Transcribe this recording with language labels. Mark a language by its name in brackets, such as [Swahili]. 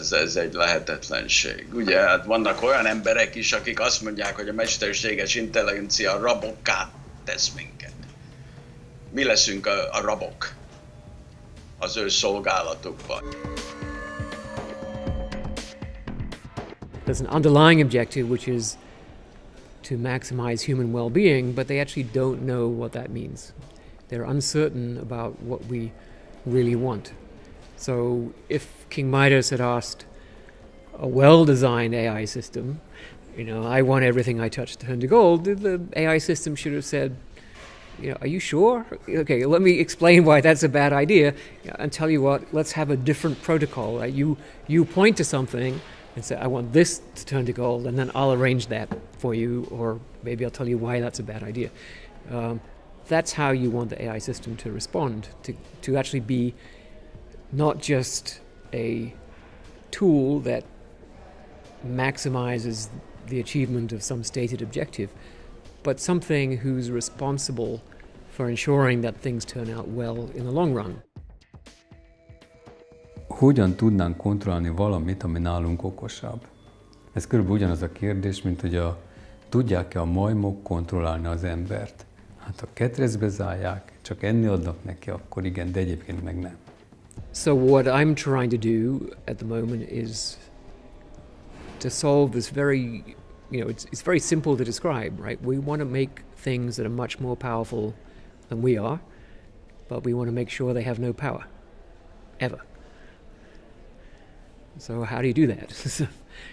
[Hungarian] Ez egy lehetetlenség. Ugye, hát vannak olyan emberek is, akik azt mondják, hogy a mesterséges intelligencia rabokká tesz minket. Mi leszünk a rabok az ő szolgálatukban? [English] There's an underlying objective, which is to maximize human well-being, but they actually don't know what that means. They're uncertain about what we really want. So if King Midas had asked a well-designed AI system, you know, I want everything I touch to turn to gold, the AI system should have said, you know, are you sure? Okay, let me explain why that's a bad idea and tell you what, let's have a different protocol. You point to something and say, I want this to turn to gold, and then I'll arrange that for you, or maybe I'll tell you why that's a bad idea. That's how you want the AI system to respond, to actually be not just a tool that maximizes the achievement of some stated objective, but something who's responsible for ensuring that things turn out well in the long run. [Hungarian] Hogyan tudnánk kontrollálni valamit, ami nálunk okosabb? Ez körülbelül ugyanaz a kérdés, mint hogy tudják-e a majmok kontrollálni az embert? Hát ha ketrezbe zárják, csak enni adnak neki, akkor igen, de egyébként meg nem. [English] So what I'm trying to do at the moment is to solve this very, you know, it's very simple to describe, right? We want to make things that are much more powerful than we are, but we want to make sure they have no power, ever. So how do you do that?